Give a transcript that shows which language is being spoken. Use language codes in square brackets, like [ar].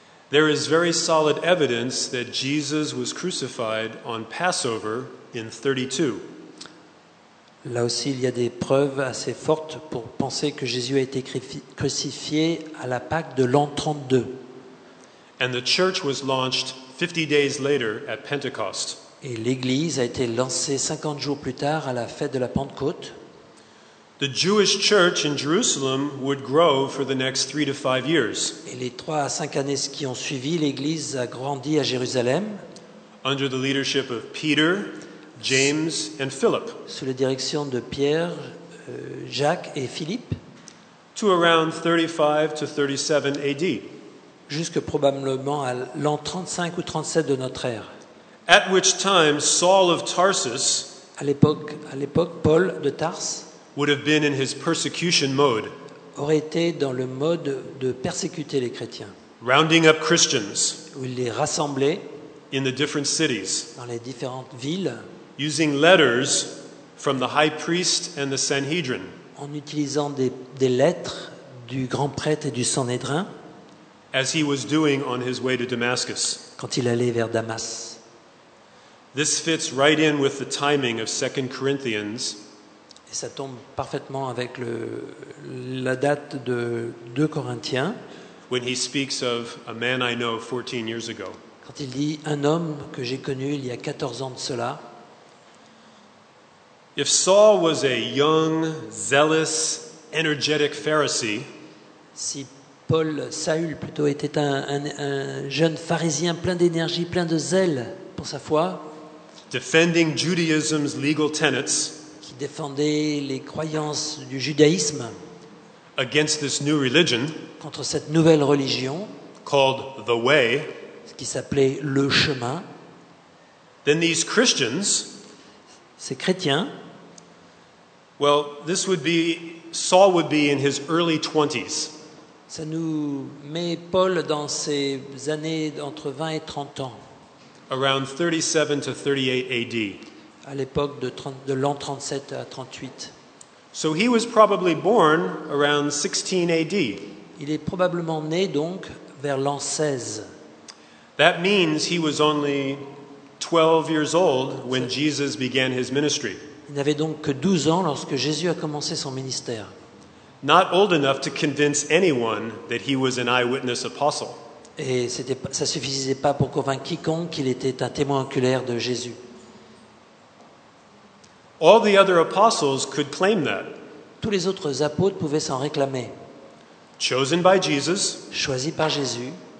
[en] There is very solid evidence that Jesus was crucified on Passover in 32. [fr] Là aussi, il y a des preuves assez fortes pour penser que Jésus a été crucifié à la Pâque de l'an 32. [en] And the church was launched 50 days later at Pentecost. [fr] Et l'Église a été lancée 50 jours plus tard à la fête de la Pentecôte. [en] The Jewish church in Jerusalem would grow for the next 3 to 5 years. [fr] Et les 3 à 5 années qui ont suivi, l'Église a grandi à Jérusalem. [en] Under the leadership of Peter, James and Philip. [fr] Sous la direction de Pierre, Jacques et Philippe. [en] To around 35 to 37 AD. [fr] Jusque probablement à l'an 35 ou 37 de notre ère. [en] At which time Saul of Tarsus, [fr] à l'époque Paul de Tarse, [en] would have been in his persecution mode, [fr] aurait été dans le mode de persécuter les chrétiens, [en] rounding up Christians, [fr] où il les rassemblait, [en] in the different cities, [fr] dans les différentes villes, [en] using letters from the high priest and the Sanhedrin, [fr] en utilisant des lettres du grand prêtre et du Sanhédrin, [en] as he was doing on his way to Damascus, [fr] quand il allait vers Damas. [en] This fits right in with the timing of 2 Corinthians. [fr] Et ça tombe parfaitement avec la date de 2 Corinthiens. [en] When he speaks of a man I know 14 years ago. [fr] Quand il dit un homme que j'ai connu il y a 14 ans de cela. [en] If Saul was a young, zealous, energetic Pharisee. [fr] Si Saül plutôt était un jeune pharisien plein d'énergie, plein de zèle pour sa foi. [en] Defending Judaism's legal tenets, [fr] qui défendait les croyances du judaïsme, [en] against this new religion, [fr] contre cette nouvelle religion, [en] called the Way, [fr] ce qui s'appelait le chemin, [en] then these Christians, [fr] ces chrétiens, [en] well, this would be, Saul would be in his early 20s. [fr] Ça nous met Paul dans ses années entre 20 et 30 ans. [en] Around 37 to 38 AD. [fr] À l'époque de l'an 37 à 38. [en] So he was probably born around 16 AD. [fr] Il est probablement né donc vers l'an 16. [en] That means he was only 12 years old when Jesus began his ministry. [fr] Il n'avait donc que 12 ans lorsque Jésus a commencé son ministère. [en] Not old enough to convince anyone that he was an eyewitness apostle. [fr] Et ça suffisait pas pour convaincre quiconque qu'il était un témoin oculaire de Jésus. [en] All the other apostles could claim that. [fr] Tous les autres apôtres pouvaient s'en réclamer. [en] Chosen by Jesus. [fr] Choisi par Jésus.